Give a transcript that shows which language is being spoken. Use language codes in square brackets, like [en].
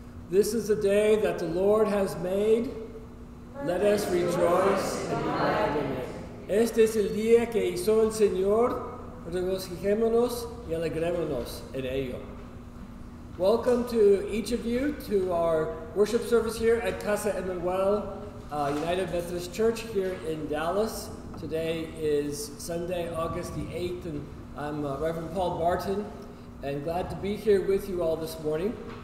[en] This is the day that the Lord has made. Let us rejoice and be glad in it. [es] Este es el día que hizo el Señor. Regocijémonos y alegrémonos en ello. [en] Welcome to each of you to our worship service here at Casa Emmanuel, United Methodist Church here in Dallas. Today is Sunday, August the 8th, and I'm Reverend Paul Barton, and glad to be here with you all this morning.